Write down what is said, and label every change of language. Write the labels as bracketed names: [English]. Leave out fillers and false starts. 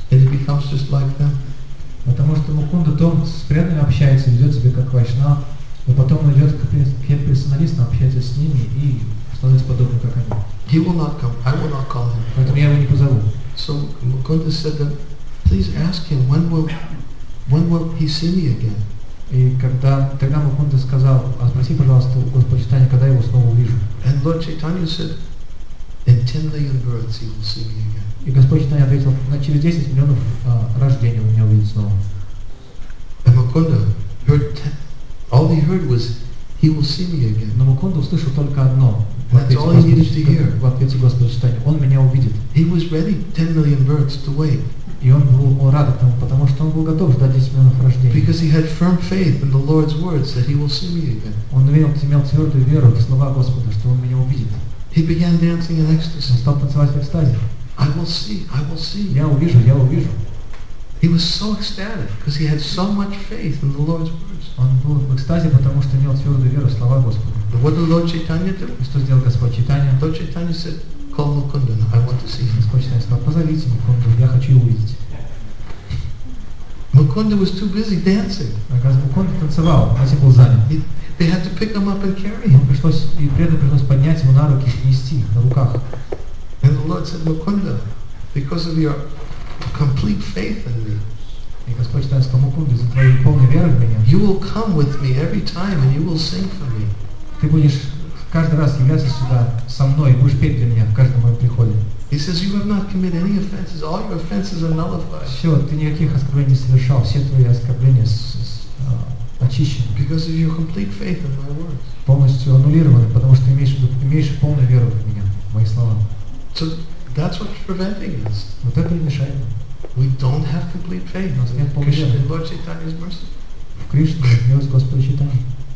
[English] And it becomes just like them. [Russian] Потому что Мукунда то с преданными общается, ведет себя как вайшнав, но потом он идет к персоналистам, общается с ними и становится подобным, как они. [English] He will not come. I will not call him. [Russian] Поэтому я его не позову. [English] So Mukunda said that, please ask him when will he see me again. [Russian] И тогда Мукунда сказал, а спроси, пожалуйста, у Господа Чайтанья, когда я его снова увижу. [English] And Lord Chaitanya said, in 10 million births he will see me again. [Russian] И Господь Чайтанья ответил, на через 10 миллионов рождений у меня увидит снова. [English] And Mukunda heard all he heard was, he will see me again. [Russian] Но Мукунда услышал только одно. [English] That's all he needed to hear. [Russian] В ответе Господа Чайтанья, он меня увидит. [English] He was ready 10 million births to wait. [Russian] И он был рад этому, потому что он был готов ждать 10 миллионов рождений. [English] Because he had firm faith in the Lord's words that he will see me again. [Russian] Он имел твердую веру в слова Господа, что он меня увидит. [English] He began dancing in ecstasy. [Russian] Он стал танцевать в экстазе. [English] I will see. [Russian] Я увижу. [English] He was so ecstatic because he had so much faith in the Lord's words. [Russian] Он был в экстазе, потому что имел твердую веру в слова Господа. [English] But what did Lord Chaitanya do? [Russian] И что сделал Господь Чайтанья? [English] Lord Chaitanya said, "Call Mukunda. I want to see him." [Russian] Господь Чайтанья сказал, позовите Мукунду, я хочу его увидеть. [English] Mukunda was too busy dancing. [Russian] Оказывается, Мукунда танцевал, а все был занят. [English] They had to pick him up and carry him. [Russian] Преданным пришлось поднять его на руки и нести на руках. [English] And the Lord said, Mukunda, because of your complete faith in me, [Russian] и Господь Чайтанья сказал, Мукунда, из-за твоей полной веры в меня, [English] you will come with me every time and you will sing for me. [Russian] Ты будешь каждый раз являться сюда со мной и будешь петь для меня в каждом моем приходе. [English] He says, you have not committed any offenses. All your offenses are nullified. [Russian] Все, ты никаких оскорблений не совершал. Все твои оскорбления очищены. [English] Because of your complete faith in my words. [Russian] Полностью аннулированы, потому что имеешь полную веру в меня, в мои слова. [English] So that's what's preventing us. [Russian] Вот это и мешает нам. [English] We don't have complete faith. [Russian] Нас нет полной веры. [English] In Lord Chaitanya's mercy. [Russian] В Кришну, в милость Господа Чайтаньи.